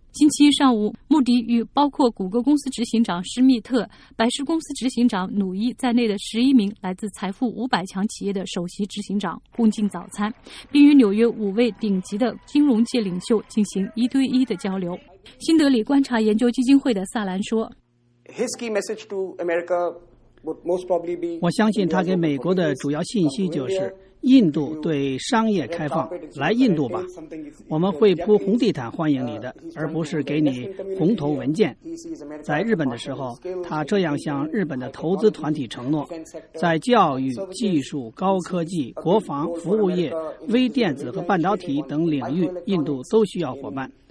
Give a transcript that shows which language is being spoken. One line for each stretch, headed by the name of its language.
Chinese: 星期一上午，穆迪与包括谷歌公司执行长施密特、百事公司执行长努伊在内的11名来自财富500强企业的首席执行长共进早餐，并与纽约5位顶级的金融界领袖进行一对一的交流。新德里观察研究基金会的萨兰说，
English: His key message to America would most probably be，
Chinese: 我相信他给美国的主要信息就是印度对商业开放，来印度吧，我们会铺红地毯欢迎你的，而不是给你红头文件。在日本的时候，他这样向日本的投资团体承诺，在教育、技术、高科技、国防、服务业、微电子和半导体等领域，印度都需要伙伴。